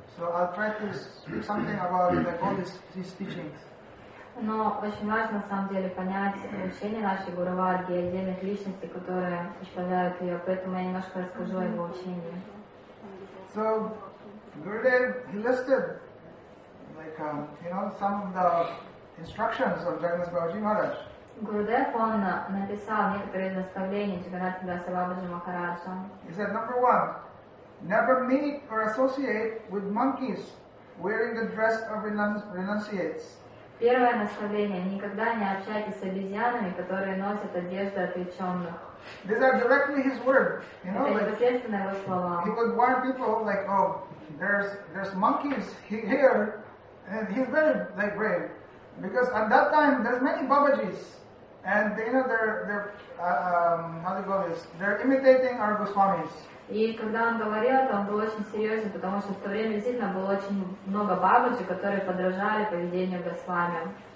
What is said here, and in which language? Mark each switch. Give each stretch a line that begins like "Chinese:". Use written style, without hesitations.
English: So I'll try to speak something about like all these teachings.
Russian: Но очень важно, на самом деле, понять учение нашей Гуру Варги и отдельных личностей, которые исполняют ее. Поэтому я немножко расскажу о его учении.
English: So, Gurudev, he listed, like, you know, some of the instructions of Jagannath Babaji Maharaj.
Russian: Gurudev, он написал некоторые наставления Джаганнатхадаса Бабаджи Махараджа.
English: He said, number one, never meet or associate with monkeys wearing the dress of renunciates.
Russian: Первое наставление: никогда не общайтесь с обезьянами, которые носят одежду отречённых.
English: These are directly his words, you know.
Russian: Это непосредственно его слова.
English: He would warn people like, oh, there's monkeys here, and he's very like brave, because at that time there's many Babaji's, and they, you know, they're how do you call this? They're imitating our Goswamis.
Russian: И когда он говорил, то он был очень серьезен, потому что в то время действительно было очень много бабочек, которые подражали поведению Госвами.